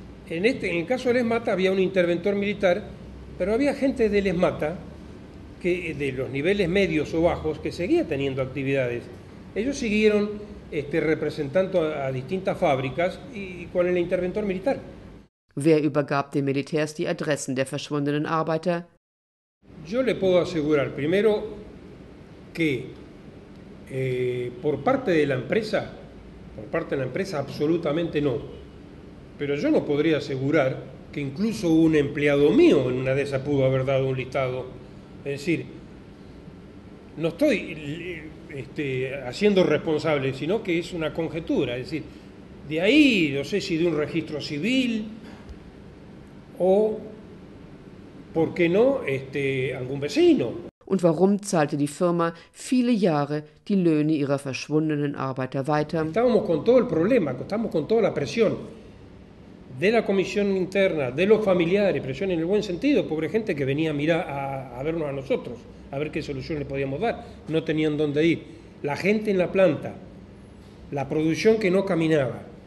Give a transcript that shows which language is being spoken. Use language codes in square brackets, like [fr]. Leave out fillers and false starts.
[es] En el caso de ESMATA había un interventor militar, pero había gente de ESMATA, que de los niveles medios o bajos, que seguía teniendo actividades. Ellos siguieron representando a distintas fábricas y con el interventor militar. [de] Wer übergab den Militärs die Adressen der verschwundenen Arbeiter? [es] Yo le puedo asegurar, primero, que por parte de la empresa, absolutamente no. Pero yo no podría asegurar que incluso un empleado mío en una de esas pudo haber dado un listado. Es decir, no estoy haciendo responsable, sino que es una conjetura. Es decir, de ahí, no sé si de un registro civil o... ¿Por qué no algún vecino? [de] Und warum zahlte die Firma viele Jahre die Löhne ihrer verschwundenen Arbeiter weiter? [es] Estábamos con todo el problema, estábamos con toda la presión de la comisión interna, de los familiares, presión en el buen sentido, pobre gente que venía a vernos a nosotros, a ver qué solución le podíamos dar, no tenían dónde ir. La gente en la planta, la producción que no caminaba.